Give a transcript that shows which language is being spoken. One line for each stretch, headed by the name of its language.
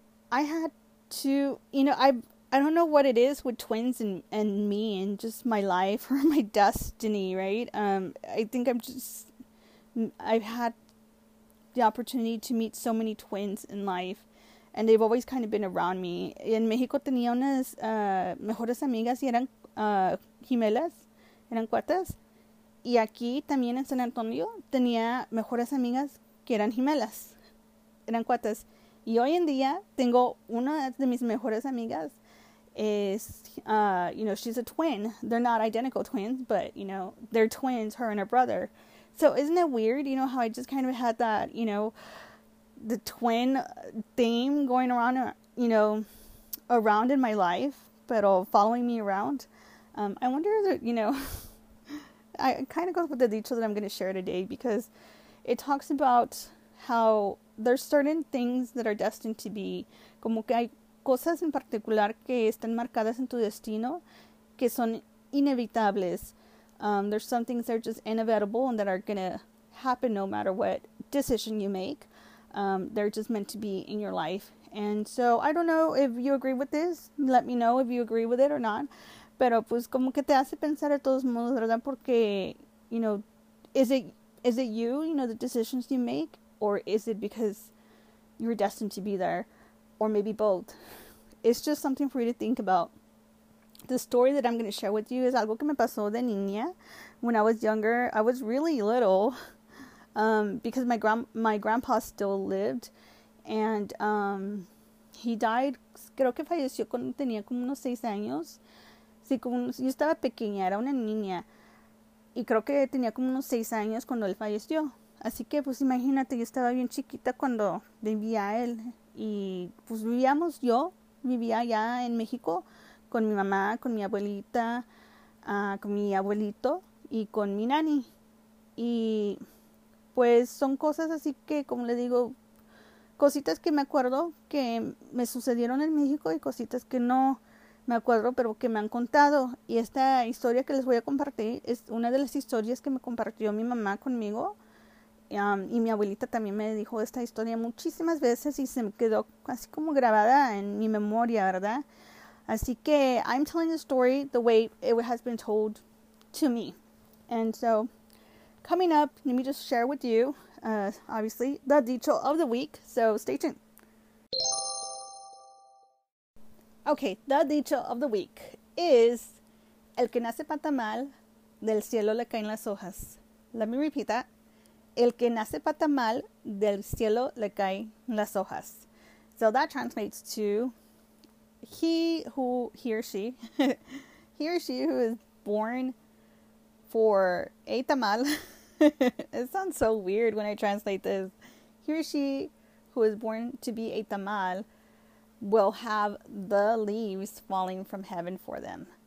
English: I had to, you know, I don't know what it is with twins and me and just my life or my destiny, right? I think I've had the opportunity to meet so many twins in life. And they've always kind of been around me.
Spanish: En México tenía unas mejores amigas y eran gemelas, eran cuatas. Y aquí también en San Antonio tenía mejores amigas que eran gemelas, eran cuatas. Y hoy en día tengo una de mis mejores amigas.
English: Is, you know, she's a twin. They're not identical twins, but, you know, they're twins, her and her brother. So isn't it weird, you know, how I just kind of had that, you know, the twin theme going around, you know, around in my life,
Spanish: pero
English: following me around. I wonder, you know, I kind of goes with the detail that I'm going to share today, because it talks about how there's certain things that are destined to be,
Spanish: como que hay cosas en particular que están marcadas en tu destino que son inevitables.
English: There's some things that are just inevitable and that are gonna happen no matter what decision you make. They're just meant to be in your life. And so I don't know if you agree with this. Let me know if you agree with it or not.
Spanish: Pero pues como que te hace pensar de todos modos, ¿verdad? Porque,
English: is it the decisions you make, or is it because you're destined to be there, or maybe both? It's just something for you to think about. The story that I'm going to share with you is
Spanish: algo que me pasó de niña
English: when I was younger. I was really little, because my grandpa still lived, and he died.
Spanish: Creo que falleció cuando tenía como unos 6 años. Sí, como yo estaba pequeña, era una niña, y creo que tenía como unos 6 años cuando él falleció. Así que, pues imagínate, yo estaba bien chiquita cuando vivía él, y pues vivíamos yo vivía allá en México con mi mamá, con mi abuelita, con mi abuelito y con mi nani. Y pues son cosas así que, como le digo, cositas que me acuerdo que me sucedieron en México y cositas que no me acuerdo, pero que me han contado. Y esta historia que les voy a compartir es una de las historias que me compartió mi mamá conmigo. Y mi abuelita también me dijo esta historia muchísimas veces y se me quedó así como grabada en mi memoria, ¿verdad? Así que
English: I'm telling the story the way it has been told to me. And so, coming up, let me just share with you, obviously, the dicho of the week. So, stay tuned. Okay, the dicho of the week is,
Spanish: el que nace pata mal, del cielo le caen las hojas.
English: Let me repeat that.
Spanish: El que nace pata mal, del cielo le caen las hojas.
English: So that translates to he or she who is born for a tamal. It sounds so weird when I translate this. He or she who is born to be a tamal will have the leaves falling from heaven for them.